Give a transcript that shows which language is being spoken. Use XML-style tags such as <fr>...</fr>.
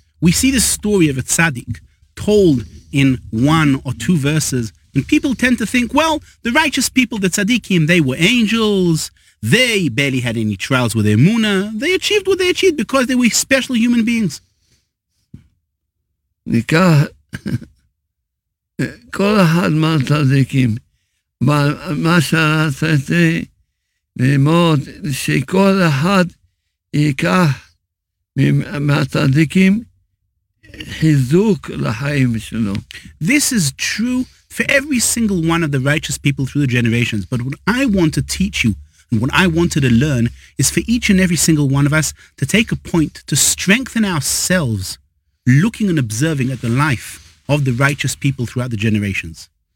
<en>We see the story of a tzaddik told in one or two verses, and people tend to think, well, the righteous people, the tzaddikim, they were angels. They barely had any trials with their Emuna. They achieved what they achieved because they were special human beings.</en> <he>ניקח כל אחד מהצדיקים, אבל מה שרציתי ללמוד, שכל אחד ייקח מהצדיקים חיזוק לחיים שלו.</he> <en>This is true for every single one of the righteous people through the generations, but what I want to teach you and what I wanted to learn is for each and every single one of us to take a point to strengthen ourselves looking and observing at the life of the righteous people throughout the generations.</en>